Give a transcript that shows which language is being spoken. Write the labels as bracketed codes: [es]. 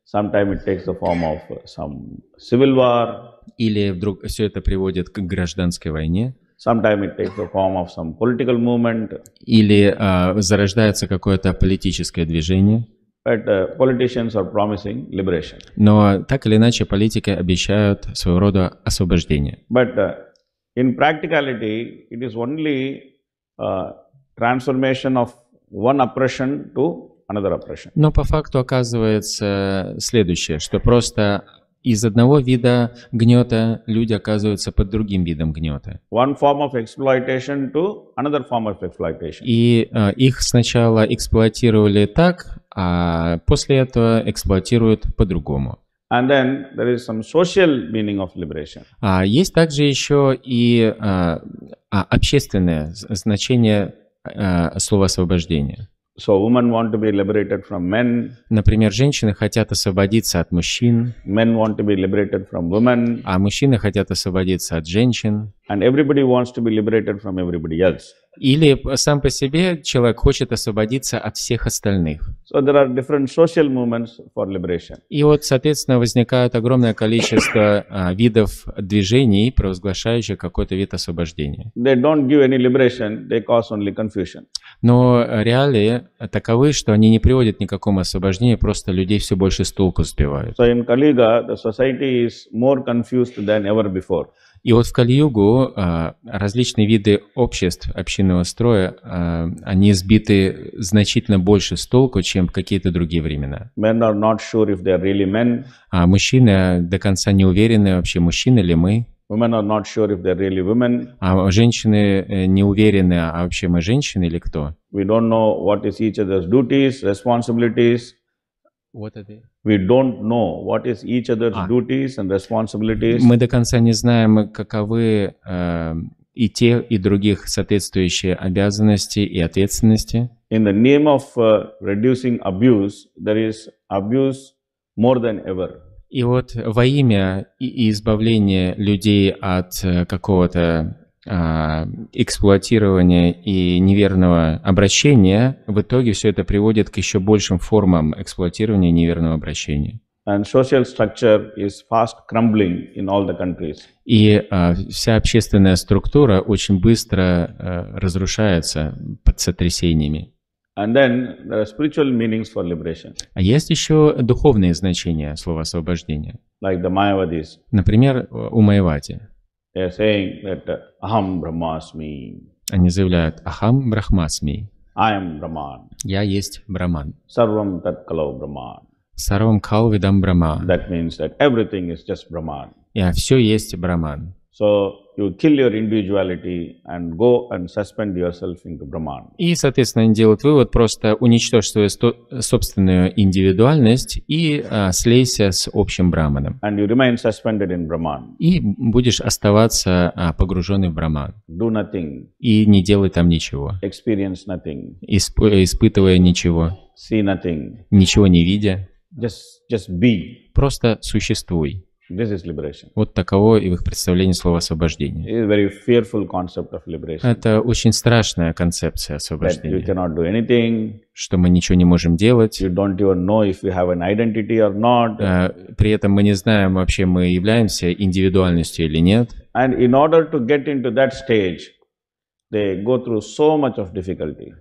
[en] Sometimes it takes the form of some civil war. [ru] Или вдруг все это приводит к гражданской войне. [en] Sometimes it takes the form of some political movement. [ru] Или зарождается какое-то политическое движение. [en] But politicians are promising liberation. [ru] Но так или иначе политики обещают своего рода освобождение. [en] But in practicality, it is only transformation of one oppression to another oppression. [ru] Но по факту оказывается следующее, что просто из одного вида гнета люди оказываются под другим видом гнета. [en] One form of exploitation to another form of exploitation. [ru] И их сначала эксплуатировали так, а после этого эксплуатируют по-другому. [en] And then there is some social meaning of liberation. [ru] Есть также еще и общественное значение слова освобождение. [en] So women want to be liberated from men. [ru] Например, женщины хотят освободиться от мужчин. [en] Men want to be liberated from women. [ru] А мужчины хотят освободиться от женщин. [en] And everybody wants to be liberated from everybody else. [ru] Или сам по себе человек хочет освободиться от всех остальных. [en] So there are different social movements for liberation. [ru] И вот, соответственно, возникает огромное количество видов движений, провозглашающих какой-то вид освобождения. [en] They don't give any liberation, they cause only confusion. [ru] Но реалии таковы, что они не приводят ни к какому освобождению, просто людей все больше с толку сбивают. [en] So in Kaliga, the society is more confused than ever before. [ru] И вот в Кали-Югу различные виды обществ, общинного строя, они сбиты значительно больше с толку, чем какие-то другие времена. [en] Men are not sure if they are really men. [ru] А мужчины до конца не уверены вообще, мужчины ли мы. [en] Women are not sure if they are really women. [ru] А женщины не уверены, а вообще мы женщины или кто? [en] We don't know what is each other's duties, responsibilities. What are they? We don't know what is each other's duties and responsibilities. [ru] Мы до конца не знаем, каковы и те, и других соответствующие обязанности и ответственности. [en] In the name of reducing abuse, there is abuse more than ever. [ru] И вот во имя избавления людей от какого-то эксплуатирования и неверного обращения, в итоге все это приводит к еще большим формам эксплуатирования и неверного обращения. [en] And social structure is fast crumbling in all the countries. [ru] И вся общественная структура очень быстро разрушается под сотрясениями. [en] And then there are spiritual meanings for liberation. [ru] А есть еще духовные значения слова освобождения. [en] Like the Mayavadis. [ru] Например, у Майявади. [en] They are saying that [sa] Aham Brahmasmi. [ru] Они заявляют [sa] Aham Brahmasmi. [en] I am Brahman. [ru] Я есть Брахман. [sa] Sarvam Tat Kalau Brahman. Sarvam Kalau Vidam Brahman. [en] That means that everything is just Brahman. [ru] Я все есть Брахман. [en] So you kill your individuality and go and suspend yourself into Brahman. [ru] И, соответственно, они делают вывод, просто уничтожь свою собственную индивидуальность и слейся с общим Брахманом. [en] And you remain suspended in Brahman. [ru] И будешь оставаться погруженный в Брахман. [en] Do nothing. [ru] И не делай там ничего. [en] Experience nothing. [ru] Испытывая ничего. [en] See nothing. [ru] Ничего не видя. [en] Just be. [ru] Просто существуй. [en] This is liberation. [ru] Вот таково и в их представлении слово освобождение. [en] It is a very fearful concept of liberation. [ru] Это очень страшная концепция освобождения. [en] That you cannot do anything. [ru] Что мы ничего не можем делать. [en] You don't even know if you have an identity or not. [ru] При этом мы не знаем вообще, мы являемся индивидуальностью или нет. [en] And in order to get into that stage, they go through so much of difficulty.